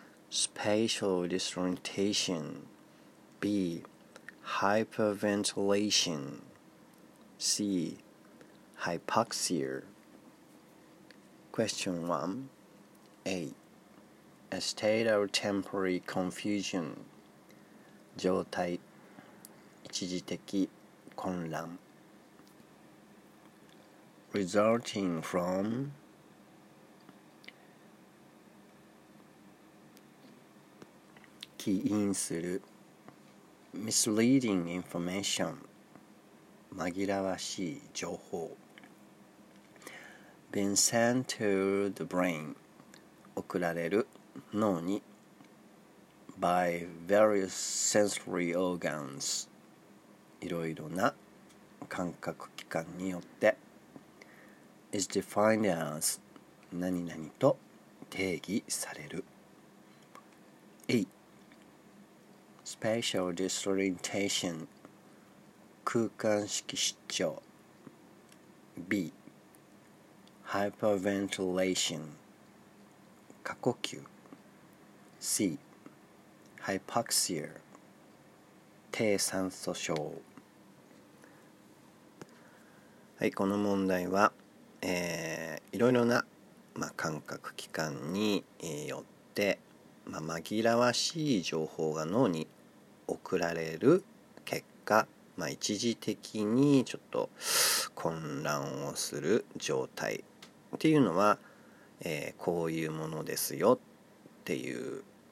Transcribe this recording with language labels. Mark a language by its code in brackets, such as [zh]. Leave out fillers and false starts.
[en] Spatial disorientation. B. Hyperventilation. C. Hypoxia. Question 1. A. A state of temporary confusion. [ja] 状態一時的混乱 [en] Resulting from [ja] 起因する [en] Misleading information [ja] 紛らわしい情報 [en] Been sent to the brain [ja] 送られる脳に [en] by various sensory organs [ja] いろいろな感覚器官によって [en] is defined as [ja] 何々と定義される [en] A. [ja] Spatial disorientation 空間識失調 B. Hyperventilation 過呼吸 C. Hypoxia 低酸素症はい、この問題は、いろいろな、感覚器官によって、紛らわしい情報が脳に送られる結果、一時的にちょっと混乱をする状態っていうのは、こういうものですよっていう